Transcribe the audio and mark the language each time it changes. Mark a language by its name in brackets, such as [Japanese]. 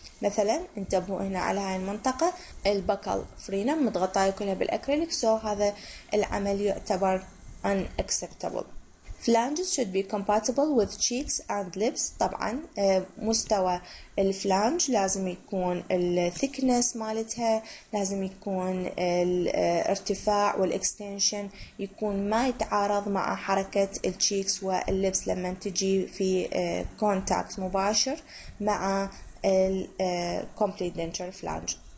[Arabic] مثلا انتبهوا هنا على هاي المنطقة، البكال فرينم مضغطة كلها بالأكريليك، سو هذا العمل يعتبر unacceptable. [English] Flanges should be compatible with cheeks and lips. [Arabic] طبعا مستوى الفلانج لازم يكون الثيكنس مالتها، لازم يكون الارتفاع والاكستنشن يكون ما يتعارض مع حركة الشيكس واللبس لما تجي في كونتاكت مباشر مع الكومبليت دنتشر فلانج.